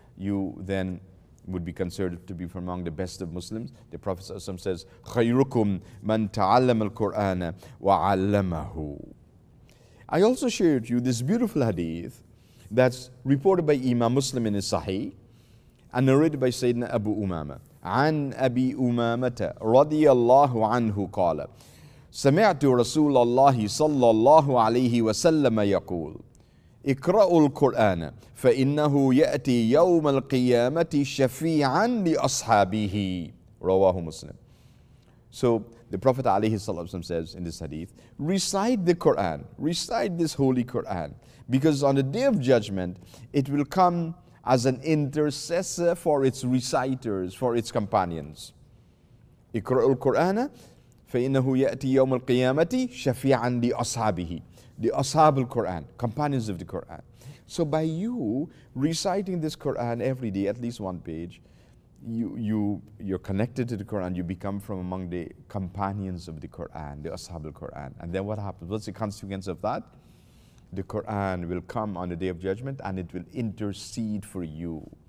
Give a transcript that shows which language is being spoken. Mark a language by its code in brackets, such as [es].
[en] You then would be considered to be from among the best of Muslims. The Prophet ﷺ says, [ar] خَيْرُكُمْ مَنْ تَعَلَّمَ الْقُرْآنَ وَعَلَّمَهُ. [en] I also shared with you this beautiful hadith that's reported by Imam Muslim in his Sahih and narrated by Sayyidina Abu Umama. [ar] عَنْ أَبِي أُمَامَةَ رَضِيَ اللَّهُ عَنْهُ قَالَ سَمِعْتُ رَسُولَ اللَّهِ صَلَّى اللَّهُ عَلَيْهِ وَسَلَّمَ يَقُولُ اقرأوا القرآن فإنه يأتي يوم القيامة شفيعا لأصحابه رواه مسلم. [en] So the Prophet ﷺ says in this hadith, recite the Quran, recite this holy Quran, because on the day of judgment it will come as an intercessor for its reciters, for its companions. [ar] اقرأوا القرآن فإنه يأتي يوم القيامة شفيعا لأصحابه. [en] The Ashab al-Quran, companions of the Quran. So by you reciting this Quran every day, at least one page, you're connected to the Quran, you become from among the companions of the Quran, the Ashab al-Quran. And then what happens? What's the consequence of that? The Quran will come on the Day of Judgment and it will intercede for you.